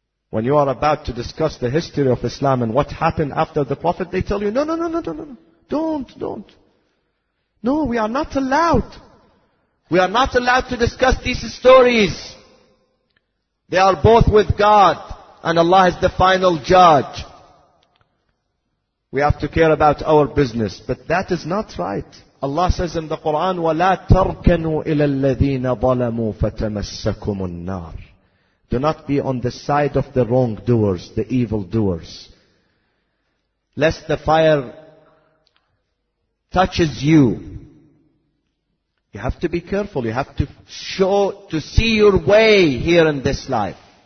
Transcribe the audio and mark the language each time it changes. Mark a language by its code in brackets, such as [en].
[en] When you are about to discuss the history of Islam and what happened after the Prophet, they tell you, no. Don't. No, we are not allowed. We are not allowed to discuss these stories. They are both with God, and Allah is the final judge. We have to care about our business. But that is not right. Allah says in the Quran, [ar] وَلَا تَرْكَنُوا إِلَى الَّذِينَ ظَلَمُوا فَتَمَسَّكُمُ النَّارِ. [en] Do not be on the side of the wrongdoers, the evildoers. Lest the fire touches you. You have to be careful. You have to show, to see your way here in this life.